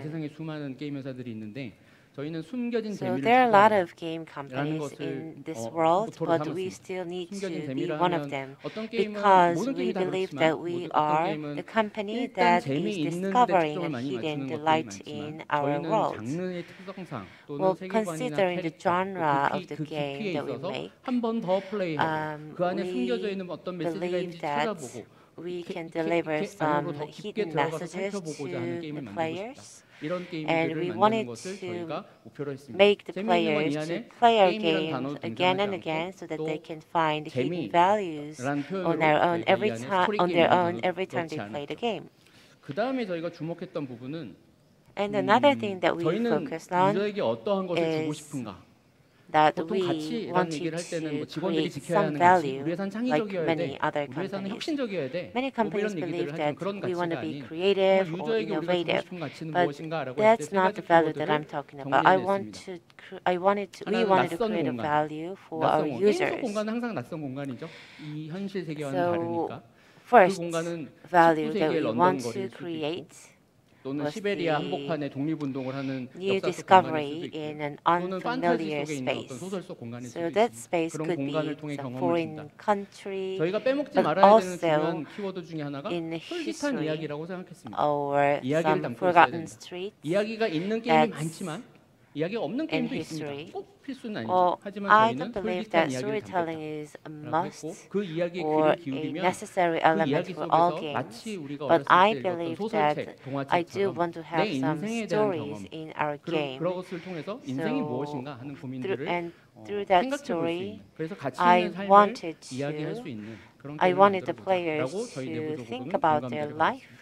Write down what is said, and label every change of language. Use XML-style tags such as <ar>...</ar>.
<ko>세상에 수많은 게임 회사들이 있는데 저희는 숨겨진 재미를 찾는다라는 것을 모토로 삼았습니다. 어떤 게임은 모든 게임이 다 그렇지만 어떤 게임은 일단 재미있는 텍스처를 많이 맞추는 것들이 많지만 저희는 장르의 특성상</ko> <en>Well, considering the genre of the game that we make, we believe that we can deliver some hidden messages to the players. And we wanted to make the players to play our game again and again so that they can find hidden values on their own every time they play the game.</en> <ko>그다음에 저희가 주목했던 부분은</ko> <en>And another thing that we focused on is that we want to create some value like many other companies. Many companies believe that we want to be creative or innovative, but that's not the value that I'm talking about. We wanted to create a value for our users. So, first value that we want to create</en> <ko>또는 시베리아 한복판에 독립운동을 하는</ko> <en>new discovery in an unfamiliar space. So that space could be a foreign country.</en> <ko>저희가 빼먹지 말아야 되는 중요한 키워드 중에 하나가 솔깃한 이야기라고 생각했습니다.</ko> <en>Or some forgotten streets.</en> <ko>이야기가 있는 게임이 많지만 이야기 없는 게임도 있습니다. 꼭 필수는 아니죠. 하지만 저희는 솔깃한 이야기를 담고 그 이야기에 귀를 기울이면 그 이야기 속에서 마치 우리가 어렸을 때 읽었던 소설책, 동화책처럼 내 인생에 대한 경험, 그런 것을 통해서 인생이 무엇인가 하는 고민들을 생각해 볼 수 있는 그래서 가치 있는 삶을 이야기할 수 있는 그런 게임을 만들어보자라고 저희 내부적으로</ko>